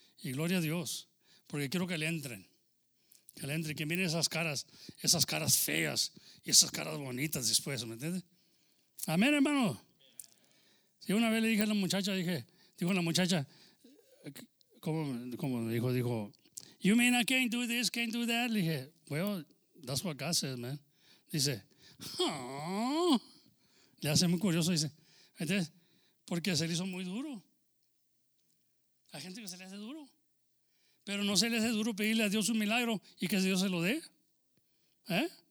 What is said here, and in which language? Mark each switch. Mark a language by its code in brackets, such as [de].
[es] Y gloria a Dios. Porque quiero que le entren. Que le entren. Que miren esas caras feas y esas caras bonitas después, ¿me entiendes? Amén, hermano. Y una vez le dije a la muchacha, ¿cómo me dijo? Dijo, [en] you mean I can't do this, can't do that? [es] Le dije, [en] well, that's what God says, man. [es] Dice, oh. Le hace muy curioso, dice, entonces, porque se le hizo muy duro. Hay gente que se le hace duro. Pero no se le hace duro pedirle a Dios un milagro y que Dios se lo dé. ¿Eh?